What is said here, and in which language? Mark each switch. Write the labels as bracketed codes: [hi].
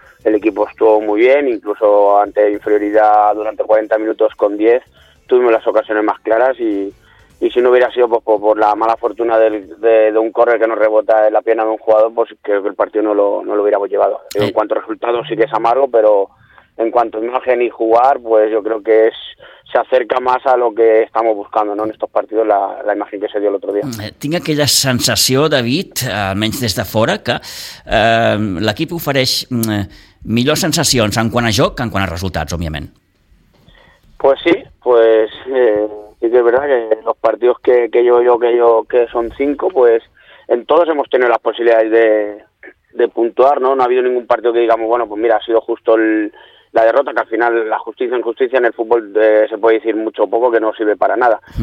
[es] El equipo estuvo muy bien, incluso ante inferioridad durante 40 minutos con 10, tuvimos las ocasiones más claras y si no hubiera sido por la mala fortuna de un córner que nos rebota en la pierna de un jugador, pues creo que el partido no lo hubiéramos llevado. En cuanto a resultados sí que es amargo, pero en cuanto a imagen y jugar, pues yo creo que se acerca más a lo que estamos buscando, ¿no?, en estos partidos, la imagen que se dio el otro día. [ca] Tinc aquella sensació, David, almenys des de fora, que l'equip ofereix millors sensacions en quant a joc que en quant a resultats, òbviament. [es] Pues sí, pues sí que es verdad que los partidos que yo que son cinco, pues en todos hemos tenido las posibilidades de puntuar, ¿no? No ha habido ningún partido que digamos, bueno, pues mira, ha sido justo la derrota, que al final la justicia en justicia en el fútbol se puede decir mucho o poco, que no sirve para nada.